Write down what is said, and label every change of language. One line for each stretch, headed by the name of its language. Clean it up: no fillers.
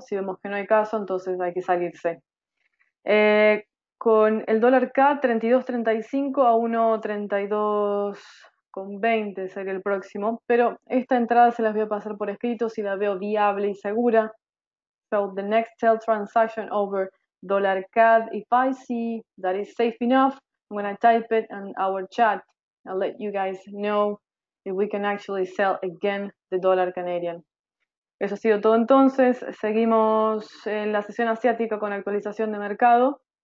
Spanish: Si vemos que no hay caso, entonces hay que salirse. Con el dólar K, 32.35 a 1.32.20 sería el próximo. Pero esta entrada se las voy a pasar por escrito si la veo viable y segura.
English: So, the next sell transaction over dólar CAD. If I see that is safe enough, I'm going to type it in our chat. I'll let you guys know if we can actually sell again the dollar Canadian.
Spanish: Eso ha sido todo entonces. Seguimos en la sesión asiática con actualización de mercado.